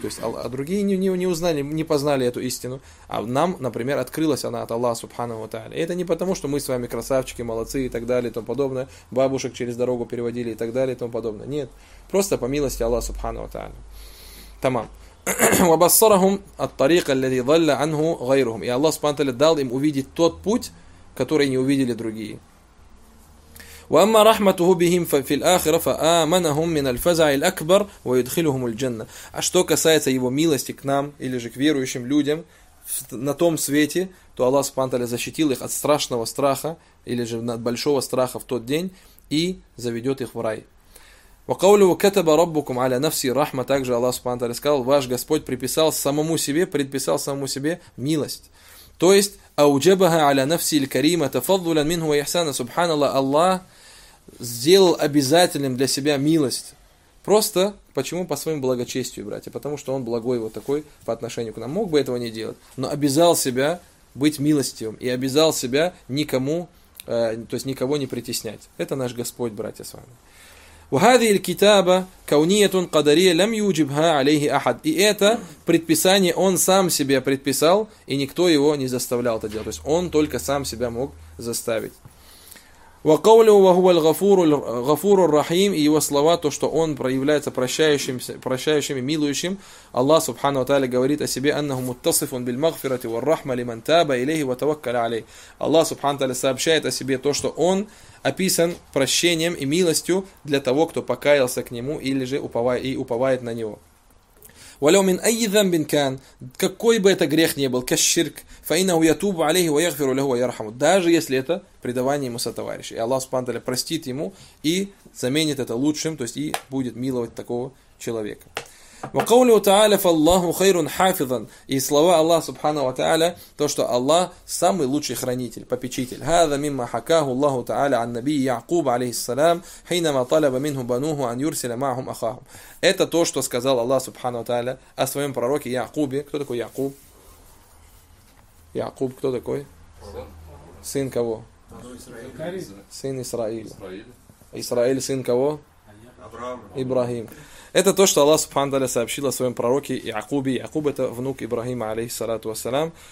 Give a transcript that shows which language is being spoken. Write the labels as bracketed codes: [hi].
[ru] То есть, а другие не узнали, не познали эту истину. А нам, например, открылась она от Аллаха Субхану ва Тааля. И это не потому, что мы с вами красавчики, молодцы и так далее и тому подобное, бабушек через дорогу переводили и так далее и тому подобное. Нет. Просто по милости Аллаха Субхану ва Тааля. Тамам. [ar] وبصرهم الطريق الذي ضل عنه غيرهم. [ru] И Аллах سبحانه وتعالى дал им увидеть тот путь, который не увидели другие. [ar] وأما رحمته بهم في الآخرة فآمنهم من الفزع الأكبر ويدخلهم الجنة. [ru] А что касается его милости к нам или же к верующим людям на том свете, то Аллах سبحانه وتعالى защитил их от страшного страха или же от большого страха в тот день и заведет их в рай. [ar] وقوله كتب ربكم على نفسي رحمة, [ru] также Аллах سبحانه وتعالى сказал, ваш Господь приписал самому себе, предписал самому себе милость. То есть [ar] أوجبها على نفسي الكريمة تفضلا منه وإحسانا. سبحان الله, [ru] Аллах сделал обязательным для себя милость. Просто почему? По своему благочестию, братья. Потому что он благой вот такой по отношению к нам. Мог бы этого не делать, но обязал себя быть милостивым и обязал себя никому, то есть никого не притеснять. Это наш Господь, братья, с вами. [ar] وهذه الكتابة كونية قدرية لم يوجبها عليه أحد. [ru] И это предписание он сам себе предписал, и никто его не заставлял это делать. То есть он только сам себя мог заставить. [ar] وقوله وهو الغفور الغفور الرحيم, [ru] и его слова, то что он проявляется прощающим и милующим. [ar] Аллах سبحانه وتعالى [ru] говорит о себе, [ar] أنه متصف بالمغفرة والرحمة لمن تاب إليه وتوكل عليه. [ru] Аллах سبحانه وتعالى сообщает о себе то, что он описан прощением и милостью для того, кто покаялся к нему или же уповает на него. [ar] ولو من أي ذنب كان, [ru] какой бы это грех ни был, [ar] كالشرك, فإنه يتوب عليه ويغفر له ويرحمه. [ru] Даже если это предавание ему сотоварищей, и Аллах سبحانه وتعالى простит ему и заменит это лучшим, то есть и будет миловать такого человека. [ar] وقوله تعالى فالله خير حافظا, [ru] и слова Аллах سبحانه وتعالى, то что Аллах самый лучший хранитель, попечитель. [ar] هذا مما حكاه الله تعالى عن النبي يعقوب عليه السلام حينما طلب منه بنوه أن يرسل معهم أخاهم. [ru] Это то, что сказал Аллах سبحانه وتعالى о своем пророке Якубе. Кто такой Якуб? Якуб кто такой? Сын кого? Сын Исраиля. Исраиль сын кого? Ибрахим. Это то, что Аллах Субхану Таля сообщил о своем пророке Якубе. Якуб это внук Ибрахима, алейхиссалату вассалям.